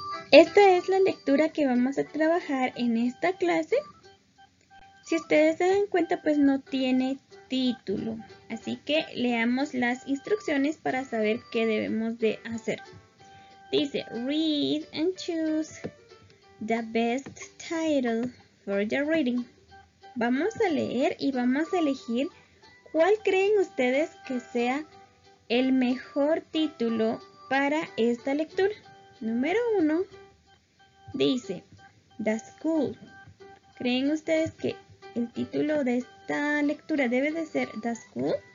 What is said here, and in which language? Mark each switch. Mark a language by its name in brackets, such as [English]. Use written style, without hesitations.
[Spanish] Esta es la lectura que vamos a trabajar en esta clase. Si ustedes se dan cuenta, pues no tiene título. Así que leamos las instrucciones para saber qué debemos de hacer. Dice, [English] read and choose the best title for your reading. [Spanish] Vamos a leer y vamos a elegir cuál creen ustedes que sea el mejor título para esta lectura. Número 1. Dice, The School. ¿Creen ustedes que el título de esta lectura debe de ser The School?